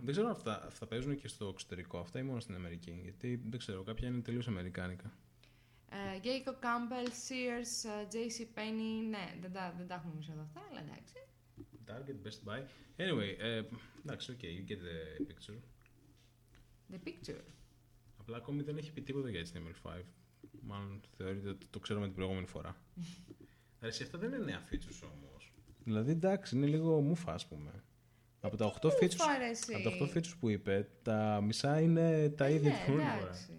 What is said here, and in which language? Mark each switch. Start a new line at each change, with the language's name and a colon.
Greek: Δεν ξέρω αν αυτά παίζουν και στο εξωτερικό αυτά ή μόνο στην Αμερική, γιατί δεν ξέρω, κάποια είναι τελείως αμερικάνικα. Jacob Campbell, Sears, JCPenney, ναι, δεν τα έχουμε εμείς εδώ αυτά, αλλά εντάξει. Target, Best Buy.
English: Anyway, εντάξει, okay, you get the picture. The picture.
Greek: Απλά ακόμη δεν έχει πει τίποτα για HTML5. Μάλλον θεωρείται ότι το ξέρουμε την προηγούμενη φορά. Ρε, αυτά δεν είναι νέα features όμως. Δηλαδή, εντάξει, είναι λίγο μουφα, ας πούμε. Από τα 8 features, που είπε, τα μισά είναι τα ίδια την προηγούμενη φορά.